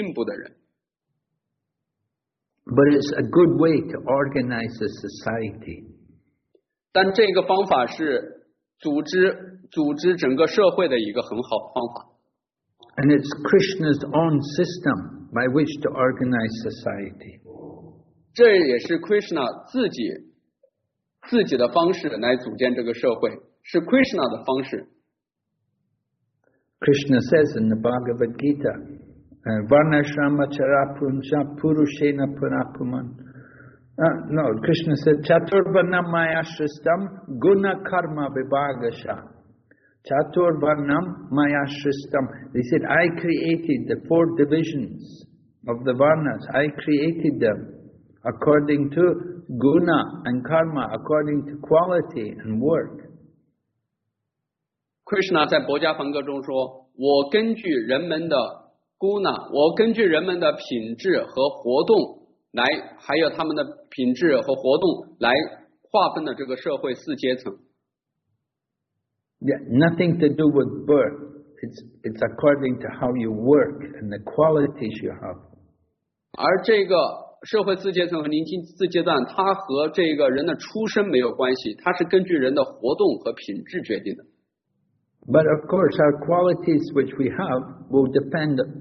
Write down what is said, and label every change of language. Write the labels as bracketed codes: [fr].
[zh] 因此人们虽然从事这些职责，但并不意味着他们是灵性上很进步的人。 [en] But it's a good way to organize a society. [zh] 但这个方法是组织整个社会的一个很好的方法。 [en] And it's Krishna's own system by which to organize society. [zh] 这也是Krishna自己的方式来组建这个社会，是 Krishna的方式。 [en] Krishna says in the Bhagavad Gita, [sa] Varnashramacharapunsha Purushena Purapuman. [en] No, Krishna said, [sa] Chaturvarnam Mayashristam Guna Karma Vibhagasha. Chaturvarnam Mayashristam. [en] They said, I created the four divisions of the Varnas. I created them according to Guna and Karma, according to quality and work. [zh] Krishna 在薄伽梵歌中说, 我根据人们的 Guna, 我根据人们的品质和活动, 来，还有他们的品质和活动来划分的这个社会四阶层。 [en] Yeah, nothing to do with birth. It's according to how you work and the qualities you have. [zh] 而这个社会四阶层和灵性四阶段，它和这个人的出身没有关系，它是根据人的活动和品质决定的。 [en] But of course, our qualities which we have will depend.